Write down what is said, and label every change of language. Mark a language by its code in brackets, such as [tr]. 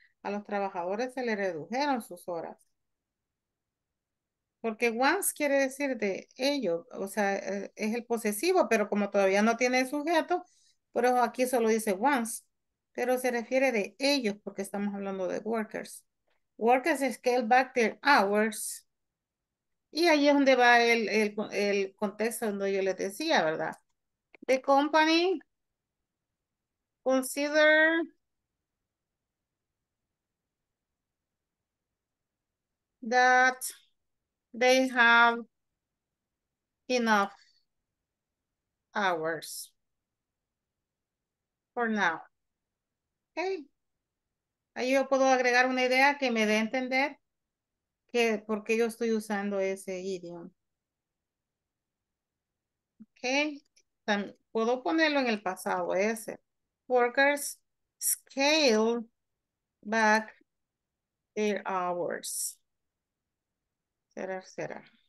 [es] A los trabajadores se les redujeron sus horas. Porque once quiere decir de ellos, o sea, es el posesivo, pero como todavía no tiene sujeto, por eso aquí solo dice once, pero se refiere de ellos porque estamos hablando de workers. [en] Workers scale back their hours. [es] Y ahí es donde va el contexto donde yo les decía, ¿verdad? [en] The company consider that they have enough hours for now. Okay. [es] Ahí yo puedo agregar una idea que me dé a entender que por qué yo estoy usando ese idiom. Okay. También puedo ponerlo en el pasado ese. [en] Workers scale back their hours. Será.